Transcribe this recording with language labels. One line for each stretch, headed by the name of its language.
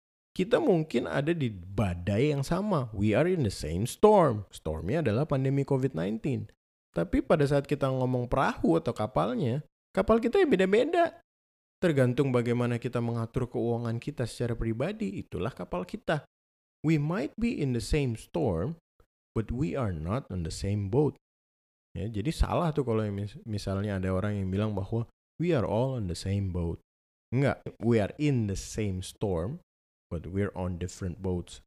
Indonesian: Kita mungkin ada di badai yang sama.
English: We are in the same storm.
Indonesian: Stormnya adalah pandemi COVID-19. Tapi pada saat kita ngomong perahu atau kapalnya, kapal kita ya beda-beda. Tergantung bagaimana kita mengatur keuangan kita secara pribadi, itulah kapal kita.
English: We might be in the same storm, but we are not on the same boat.
Indonesian: Ya, jadi salah tuh kalau misalnya ada orang yang bilang bahwa
English: we are all on the same boat.
Indonesian: Enggak,
English: we are in the same storm, but we're on different boats.